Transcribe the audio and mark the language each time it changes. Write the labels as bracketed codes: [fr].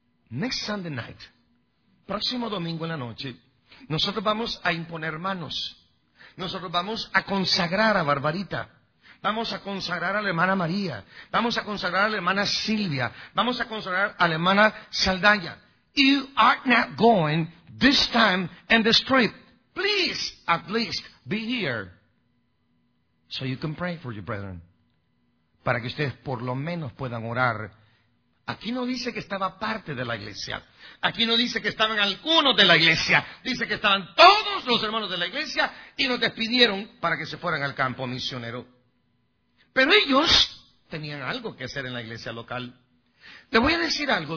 [en] Next Sunday night, [es] próximo domingo en la noche, nosotros vamos a imponer manos. Nosotros vamos a consagrar a Barbarita, vamos a consagrar a la hermana María, vamos a consagrar a la hermana Silvia, vamos a consagrar a la hermana Saldaña. [en] You are not going this time and this trip. Please, at least, be here so you can pray for your brethren. [es] Para que ustedes por lo menos puedan orar. Aquí no dice que estaba parte de la iglesia. Aquí no dice que estaban algunos de la iglesia. Dice que estaban todos los hermanos de la iglesia y nos despidieron para que se fueran al campo misionero. Pero ellos tenían algo que hacer en la iglesia local. Te voy a decir algo.